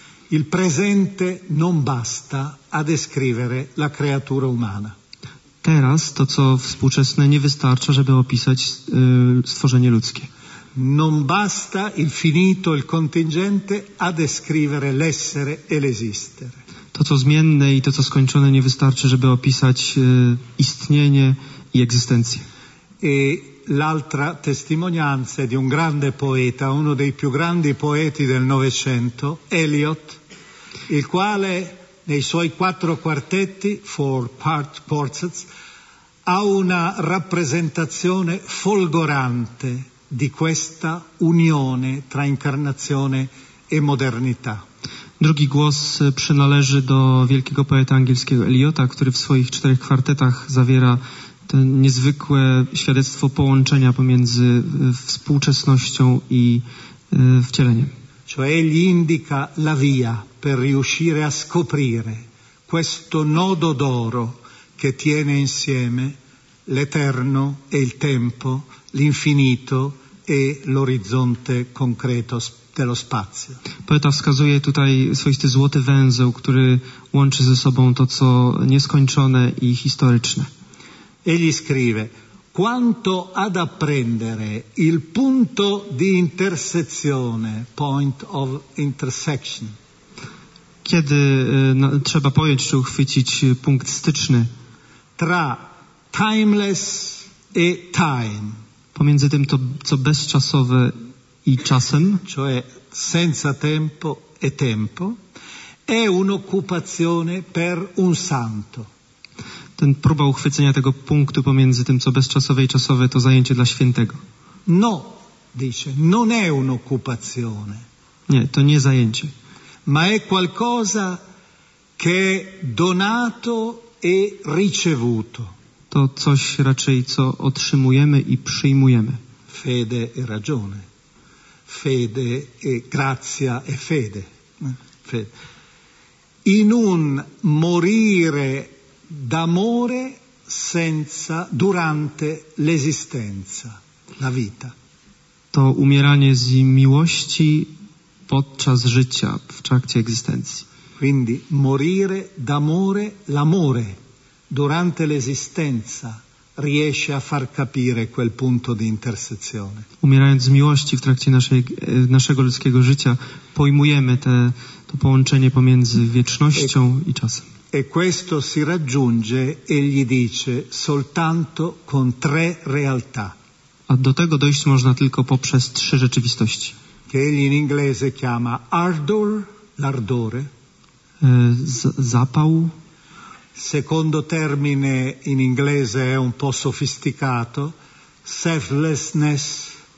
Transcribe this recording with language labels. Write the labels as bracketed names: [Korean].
[Italian] Il presente non basta a descrivere la creatura umana. [Polish] Teraz to, co współczesne, nie wystarcza, żeby opisać stworzenie ludzkie. [Italian] Non basta il finito, il contingente a descrivere l'essere e l'esistere. [Polish] To, co zmienne i to, co skończone, nie wystarczy, żeby opisać istnienie i egzystencję. [Italian] E l'altra testimonianza di un grande poeta, uno dei più grandi poeti del Novecento, Eliot, il quale nei suoi quattro quartetti, four part quartets, ha una rappresentazione folgorante di questa unione tra incarnazione e modernità. [Polish] Drugi głos przynależy do wielkiego poety angielskiego Eliota, który w swoich czterech kwartetach zawiera to niezwykłe świadectwo połączenia pomiędzy współczesnością i wcieleniem. [Italian] Cioè egli indica la via per riuscire a scoprire questo nodo d'oro che tiene insieme l'eterno e il tempo, l'infinito e l'orizzonte concreto dello spazio. [Polish] Poeta wskazuje tutaj swoisty złoty węzeł, który łączy ze sobą to, co nieskończone i historyczne. [Italian] Egli scrive: quanto ad apprendere il punto di intersezione, [English] point of intersection. [Polish] Kiedy trzeba pojąć czy uchwycić punkt styczny? [Italian] Tra timeless e time. [Polish] Pomiędzy tym, to, co bezczasowe i czasem. [Italian] Cioè senza tempo e tempo. È un'occupazione per un santo. [Polish] Ten próba uchwycenia tego punktu pomiędzy tym, co bezczasowe i czasowe, to zajęcie dla świętego. [Italian] No, dice, non è un'occupazione. [Polish] Nie, to nie zajęcie. [Italian] Ma è qualcosa che è donato e ricevuto. [Polish] To coś raczej, co otrzymujemy i przyjmujemy. [Italian] Fede e ragione. Fede e grazia e fede. Fede. In un morire d'amore senza durante l'esistenza, la vita. [Polish] To umieranie z miłości podczas życia, w trakcie egzystencji. [Italian] Quindi morire d'amore, l'amore durante l'esistenza riesce a far capire quel punto di intersezione. [Polish] Umierając z miłości w trakcie naszego ludzkiego życia, pojmujemy to połączenie pomiędzy wiecznością i czasem. [Italian] E questo si raggiunge, egli dice, soltanto con tre realtà. [Polish] A do tego dojść można tylko poprzez trzy rzeczywistości. [Italian] Che egli in inglese chiama ardor, l'ardore. [Polish] Zapał. [Italian] Secondo termine in inglese è un po' sofisticato. [English] Selflessness.